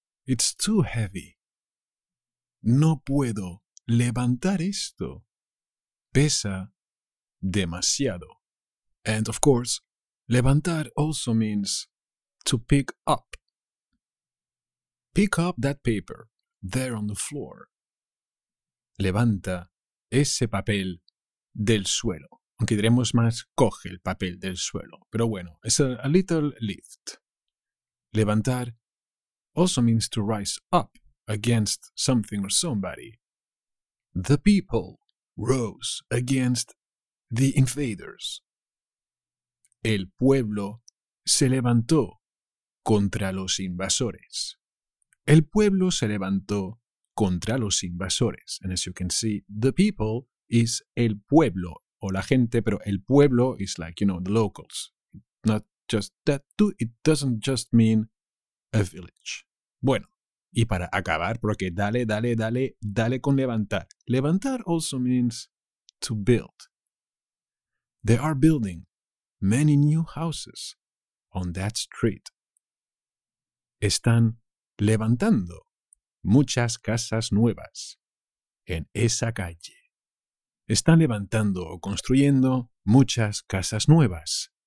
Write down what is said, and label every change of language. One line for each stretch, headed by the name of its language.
English: It's too heavy.
Spanish: No puedo levantar esto. Pesa demasiado.
English: And of course, levantar also means to pick up. Pick up that paper there on the floor.
Spanish: Levanta ese papel del suelo. Aunque diremos más, coge el papel del suelo. Pero bueno,
English: it's a little lift. Levantar also means to rise up against something or somebody. The people rose against the invaders.
Spanish: El pueblo se levantó contra los invasores. El pueblo se levantó contra los invasores.
English: And as you can see, the people is el pueblo,
Spanish: o la gente, pero el pueblo
English: is like, you know, the locals. Not just that too, it doesn't just mean a village.
Spanish: Bueno, y para acabar, porque dale, dale, dale, dale con levantar.
English: Levantar also means to build. They are building many new houses on that street.
Spanish: Están levantando muchas casas nuevas en esa calle. Están levantando o construyendo muchas casas nuevas